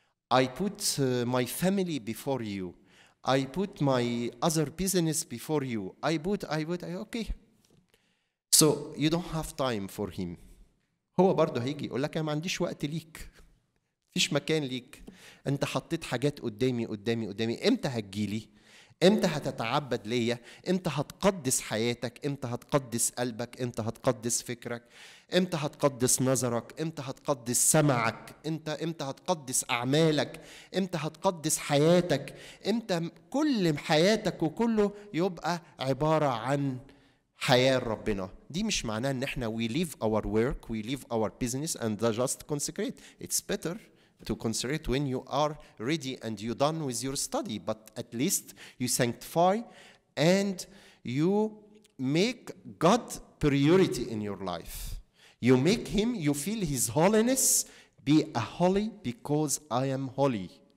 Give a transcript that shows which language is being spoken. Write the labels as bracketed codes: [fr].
[en] I put my family before you. I put my other business before you. Okay. So you don't have time for him. [ar] هو برضو هيجي يقول لك أنا ما عنديش وقت ليك. فيش مكان ليك. أنت حطيت حاجات قدامي. إمتى هتجيلي؟ إمتى هتتعبد ليا؟ إمتى هتقدس حياتك؟ إمتى هتقدس قلبك؟ إمتى هتقدس فكرك؟ إمتى هتقدس نظرك؟ إمتى هتقدس سمعك؟ إمتى هتقدس أعمالك؟ إمتى هتقدس حياتك؟ إمتى كل حياتك وكله يبقى عبارة عن حياة ربنا؟ دي مش معناه إن إحنا [en] we leave our work, we leave our business and just consecrate. It's better to consecrate when you are ready and you're done with your study, but at least you sanctify and you make God priority in your life. You make him, you feel his holiness, be a holy because I am holy.